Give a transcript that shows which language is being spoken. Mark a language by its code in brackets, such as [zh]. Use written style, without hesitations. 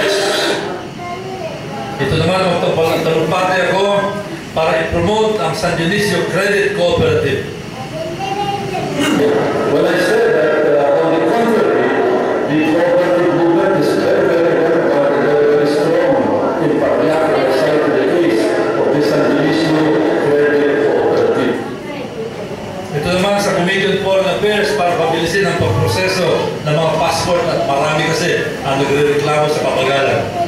[tl] Ito naman ang tumpalantalumpate ako para i-promote ang San Dionisio Credit Cooperative. [en] Well, I said that on the contrary, the cooperative movement is very, very, very, very, very strong in Parañaque, outside of the case of the San Dionisio Credit Cooperative. [tl] Ito naman sa Committee on Foreign Affairs para pabilisin ang pagproseso ng mga passport at marami kasi ang nagre-reklamo sa pabagalan.